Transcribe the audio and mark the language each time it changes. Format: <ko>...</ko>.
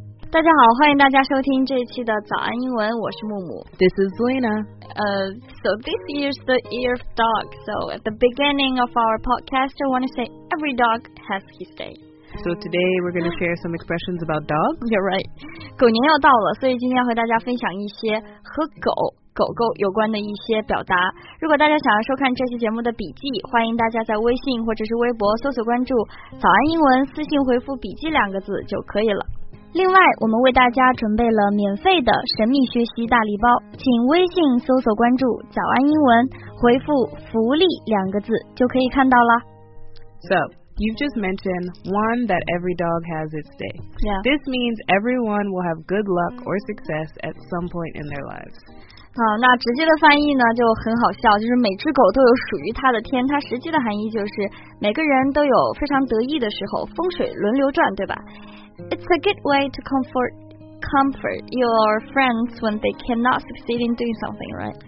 <zh>大家好，欢迎大家收听这一期的早安英文，我是木木。</zh> <en>This is Zuina. So this year's the year of dog. So at the beginning of our podcast, I want to say every dog has his day. So today we're going to share some expressions about dogs. You're right.</en> <zh>狗年要到了，所以今天要和大家分享一些和狗。狗狗有关的一些表达。如果大家想要收看这期节目的笔记，欢迎大家在微信或者是微博搜索关注早安英文，私信回复笔记两个字就可以了。另外我们为大家准备了免费的神秘学习大礼包，请微信搜索关注早安英文，回复福利两个字就可以看到了。</zh> <en>So you've just mentioned one that every dog has its day. Yeah. This means everyone will have good luck or success at some point in their lives.</en> <zh>那直接的翻译呢就很好笑，就是每只狗都有属于它的天，它实际的含义就是每个人都有非常得意的时候，风水轮流转，对吧？</zh> <en>It's a good way to comfort your friends when they cannot succeed in doing something, right?</en>